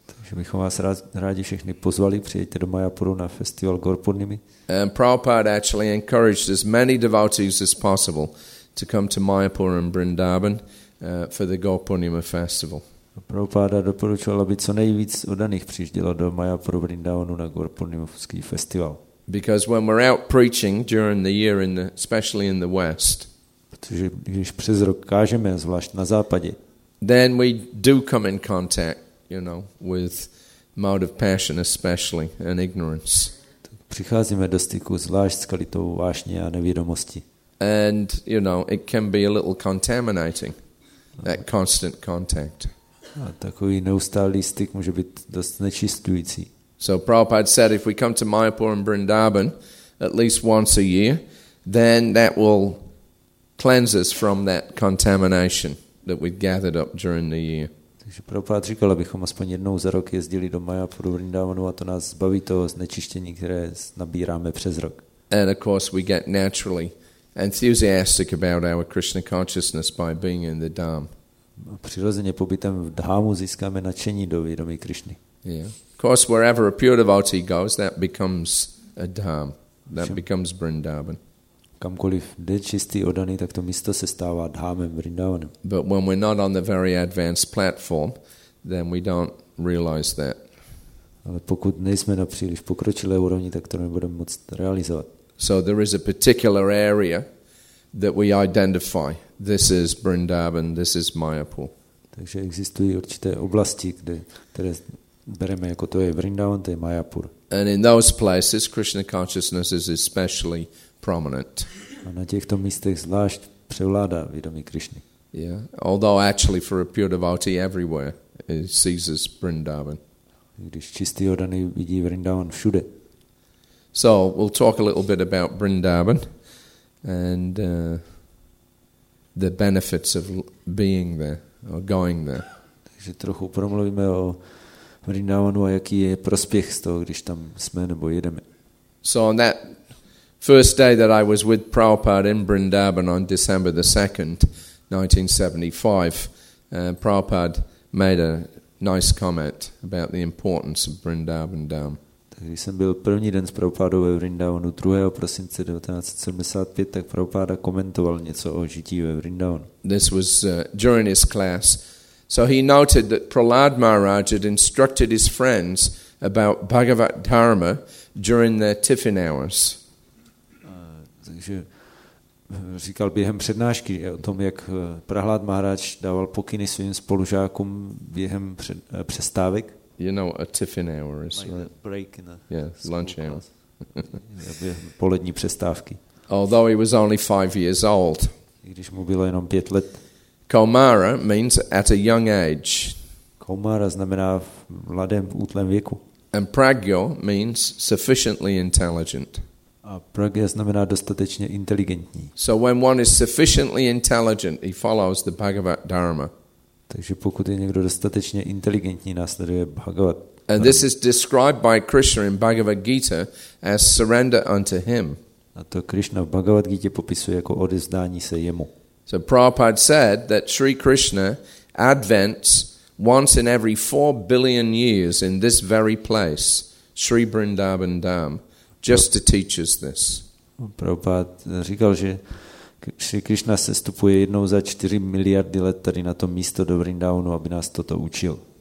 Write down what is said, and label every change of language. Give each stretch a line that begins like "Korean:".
Czech: Takže bychom vás rádi všechny pozvali, přijďte do Mayapuru na festival Gaupurnimi.
English: And Prabhupada actually encouraged as many devotees as possible to come to Mayapur and Vrindavan for the Gaupurnima festival.
Czech: Prabhupada doporučoval, aby co nejvíc oddaných přijíždělo do Mayapuru Vrindavanu na Gaupurnimovský festival.
English: Because when we're out preaching during the year in the, especially in the west,
Czech: protože když přes rok kážeme, zvlášť na západě,
English: then we do come in contact, you know, with mode of passion especially and ignorance.
Czech: Přicházíme do styku zvlášť s kalitou vášně a nevědomosti.
English: And you know, it can be a little contaminating, that constant contact.
Czech: A takový neustálý styk může být dost nečistující.
English: So Prabhupada said if we come to Mayapur and Vrindavan at least once a year, then that will cleanse us from that contamination that we've gathered up during the year.
Czech: Takže Prabhupada říkal, abychom aspoň jednou za rok jezdili do Mayapuru a Vrindavanu a to nás zbaví toho znečištění, které nabíráme přes rok.
English: And of course we get naturally enthusiastic about our Krishna consciousness by being in the Dham.
Czech: A přirozeně pobytem v Dhámu získáme nadšení do vědomí Krišny. Yeah.
English: Of course, wherever a pure devotee goes, that becomes a dham. That becomes Vrindavan.
Czech: Kamkoliv jde čistý oddaný, tak to místo se stává dhámem Vrindavanem.
English: But when we're not on the very advanced platform, then we don't realize that.
Czech: Ale pokud nejsme na příliš pokročilé úrovni, tak to nebudeme moc realizovat.
English: So there is a particular area that we identify. This is Vrindavan, this is Mayapur.
Czech: Takže existují určité oblasti, kde, které bereme jako to je Vrindavan, to je Mayapur.
English: And in those places Krishna consciousness is especially prominent.
Czech: A na těchto místech zvlášť převládá vědomí Krišny.
English: Yeah, although actually for a pure devotee everywhere it sees as Vrindavan.
Czech: Když čistý oddaný vidí Vrindavan všude.
English: So we'll talk a little bit about Vrindavan and the benefits of being there or going there.
Czech: Takže trochu promluvíme o Vrindavanu a jaký je prospěch z toho, když tam jsme nebo jedeme.
English: So on that first day that I was with Prabhupada in Vrindavan on December the 2nd, 1975, Prabhupada made a nice comment about the importance of Vrindavan Dham.
Czech: Když jsem byl první den s Prabhupádou ve Vrindavanu 2. prosince 1975, tak Prabhupáda komentoval něco o žití ve Vrindavanu.
English: This was during his class. So he noted that Prahlad Maharaj had instructed his friends about Bhagavad Dharma during their tiffin hours.
Czech: Takže říkal během přednášky o tom, jak Prahlad Maharaj dával pokyny svým spolužákům během přestávek.
English: You know what a tiffin hour is, like right? A break in the lunch hour.
Czech: Během polední přestávky.
English: Although he was only 5 years old.
Czech: Když mu bylo jenom 5 let.
English: Komara means at a young age.
Czech: Komara znamená v mladém, v útlém věku.
English: And pragyo means sufficiently intelligent.
Czech: A pragya znamená dostatečně inteligentní.
English: So when one is sufficiently intelligent, he follows the Bhagavad Dharma.
Czech: Takže pokud je někdo dostatečně inteligentní, následuje Bhagavad.
English: And this is described by Krishna in Bhagavad Gita as surrender unto him.
Czech: A to Krishna v Bhagavad Gita popisuje jako odevzdání se jemu.
English: So Prabhupada said that Sri Krishna advents once in every 4 billion years in this very place, Sri Vrindavan Dham, just to teach us this.
Czech: Prabhupada říkal, že Sri Krishna sestupuje jednou za 4 miliardy let tady na to místo do Vrindavanu, aby nás toto učil.